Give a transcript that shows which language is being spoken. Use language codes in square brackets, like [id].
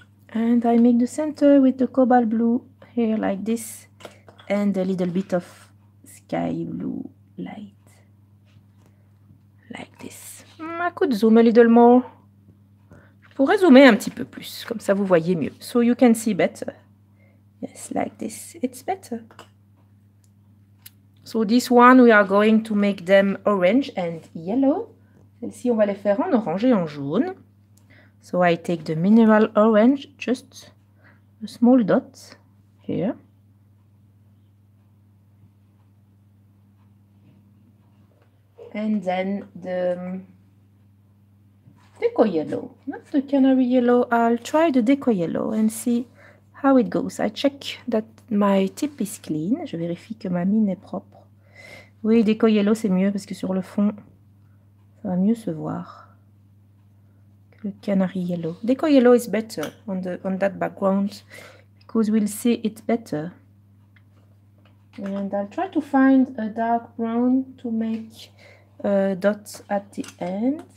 [en] And I make the center with the cobalt blue here like this and a little bit of sky blue light like this. I could zoom a little more. [fr] Je pourrais zoomer un petit peu plus, comme ça vous voyez mieux. [en] So you can see better. Yes, like this. It's better. So this one, we are going to make them orange and yellow. [fr] Celle-ci, on va les faire en orange et en jaune. [en] So I take the mineral orange, just a small dot here. And then the deco yellow, not the canary yellow. I'll try the deco yellow and see how it goes. I check that my tip is clean. [fr] Je vérifie que ma mine est propre. Oui, deco yellow, c'est mieux parce que sur le fond, ça va mieux se voir. [en] The canary yellow. Deco yellow is better on that background because we'll see it better. And I'll try to find a dark brown to make a dot at the end.